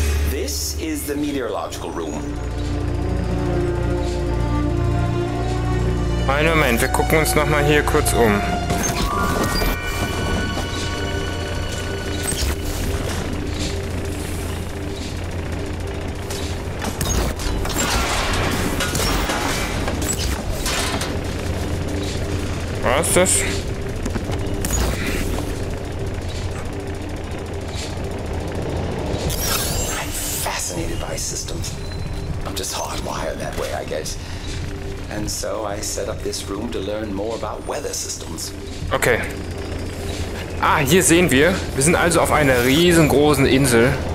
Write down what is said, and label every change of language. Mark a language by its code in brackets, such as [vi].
[en] This is the meteorological room. [de] Einen Moment, wir gucken uns noch mal hier kurz um. Das? [en] I'm fascinated by systems. I'm just hardwired that way, I guess. And so I set up this room to learn more about weather systems. [de] Okay. Ah, hier sehen wir. Wir sind also auf einer riesengroßen Insel.